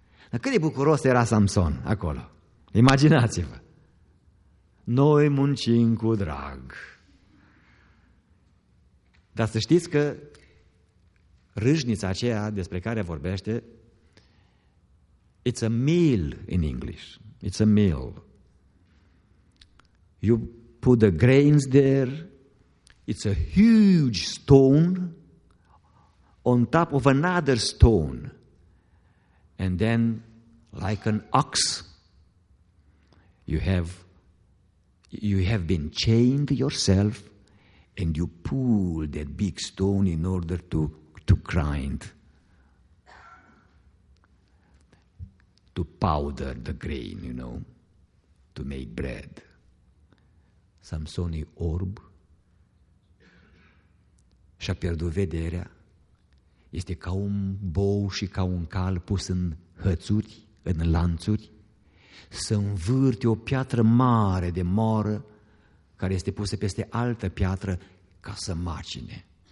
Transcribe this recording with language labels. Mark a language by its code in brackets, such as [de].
[ro] Dar cât de bucuros era Samson acolo? Imaginați-vă! Noi muncim cu drag. Dar să știți că râșnița aceea despre care vorbește, [en] it's a meal in English. It's a meal. You put the grains there, it's a huge stone on top of another stone. And then, like an ox, you have been chained yourself and you pull that big stone in order to grind, to powder the grain, you know, to make bread. [ro] Samson e orb și-a pierdut vederea, este ca un bou și ca un cal pus în hățuri, în lanțuri, să învârte o piatră mare de moară care este pusă peste altă piatră ca să macine.